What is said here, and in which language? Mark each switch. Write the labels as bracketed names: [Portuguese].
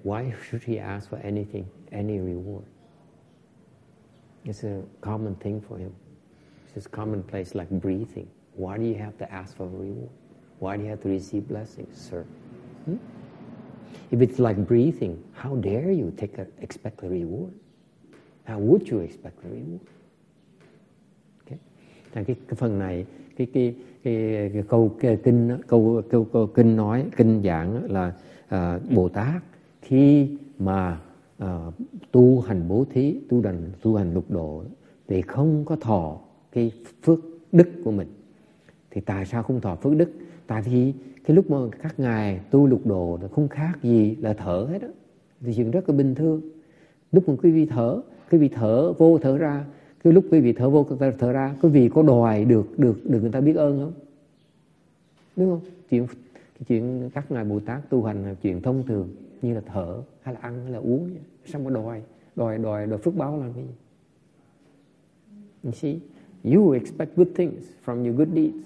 [English] Why should he ask for anything, any reward? It's a common thing for him. It's just commonplace, like breathing. Why do you have to ask for a reward? Why do you have to receive blessings, sir? If it's like breathing, how dare you expect a reward? How would you expect a reward? Okay? [Vietnamese] Cái phần này, cái câu kinh nói, kinh giảng là Bồ Tát khi mà tu hành bố thí, tu hành lục độ thì không có thọ cái phước đức của mình. Thì tại sao không thọ phước đức? Tại vì cái lúc mà các ngài tu lục độ nó không khác gì là thở hết á. Thì chuyện rất là bình thường. Lúc mà quý vị thở vô thở ra, cái lúc quý vị thở vô thở ra, quý vị có đòi được người ta biết ơn không? Đúng không? Chuyện các ngài Bồ Tát tu hành là chuyện thông thường, như là thở hay là ăn hay là uống vậy. Xong rồi đòi phước báo làm gì? [English] You see? You expect good things from your good deeds.